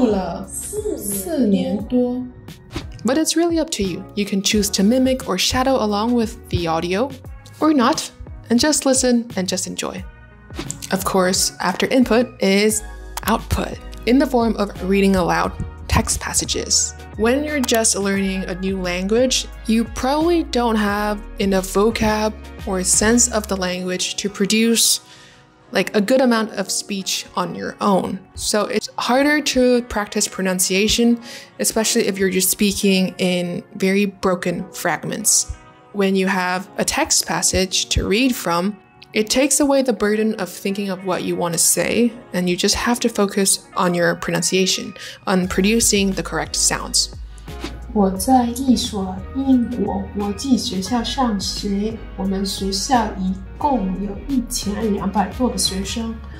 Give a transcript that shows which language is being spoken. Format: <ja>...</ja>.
<zh>北京和悉尼的区别。我在北京住了两年多。我在悉尼住了四年多。</zh> <en>But it's really up to you. You can choose to mimic or shadow along with the audio, or not. And just listen and just enjoy. Of course, after input is output in the form of reading aloud text passages. When you're just learning a new language, you probably don't have enough vocab or sense of the language to produce like a good amount of speech on your own. So it's harder to practice pronunciation, especially if you're just speaking in very broken fragments. When you have a text passage to read from, it takes away the burden of thinking of what you want to say, and you just have to focus on your pronunciation, on producing the correct sounds.</en> <zh>我在一所英国国际学校上学，我们学校一共有1200多个学生。</zh>